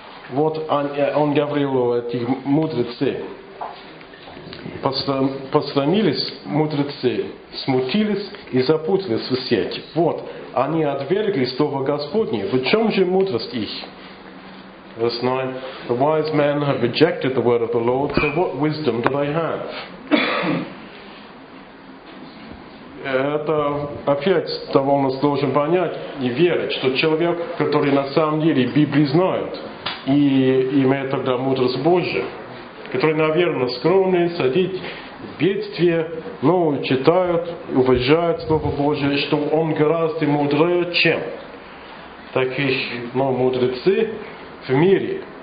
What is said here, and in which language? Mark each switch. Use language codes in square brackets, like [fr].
[ru] Вот он говорил о этих мудрецах. Посрамились мудрецы, смутились и запутались в сети. Вот, они отвергли слово Господне. В чем же мудрость их? [en] Verse 9. The wise men have rejected the word of the Lord, so what wisdom do they have? [ru] Это опять довольно сложно понять и верить, что человек, который на самом деле Библию знает и имеет тогда мудрость Божию, который, наверное, скромный, садит в бедствие, но читает, уважает Слово Божие, что он гораздо мудрее, чем таких, ну, мудрецы в мире.